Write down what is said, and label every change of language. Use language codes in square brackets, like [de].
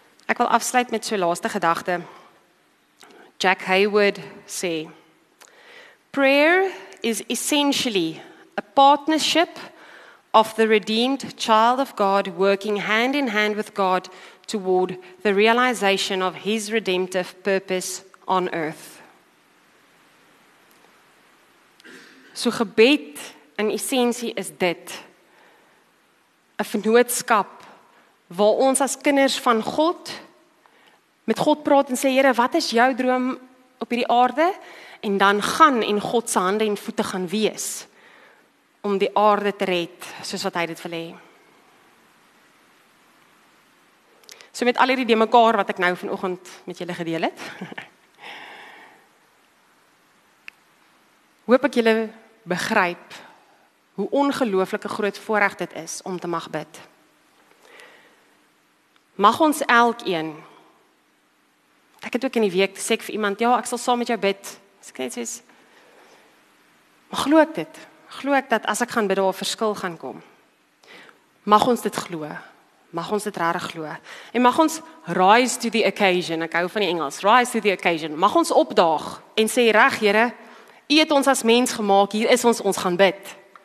[af] Ek wil afsluit met so laaste gedagte. [en] Jack Haywood sê, "Prayer is essentially a partnership of the redeemed child of God working hand in hand with God toward the realization of his redemptive purpose on earth." [af] So gebed in essentie is dit, 'n vennootskap waar ons as kinders van God met God praat en sê, Here, wat is jou droom op hierdie aarde? En dan gaan en God se hande en voete gaan wees om die aarde te red, soos wat hy dit wil hê. So met al hierdie de mekaar wat ek nou vanoggend met julle gedeel het, hoop ek julle begryp hoe ongelooflike groot voorreg dit is om te mag bid. Mag ons elkeen, ek het ook in die week sê ek vir iemand, ja, ek sal saam met jou bid, maar glo ek dit, glo ek dat as ek gaan bid, daar 'n verskil gaan kom. Mag ons dit glo, mag ons dit rarig glo, en mag ons [en] rise to the occasion, [af] ek hou van die Engels, [en] rise to the occasion, [af] mag ons opdaag en sê, reg Here, U het ons as mens gemaak, hier is ons, ons gaan bid.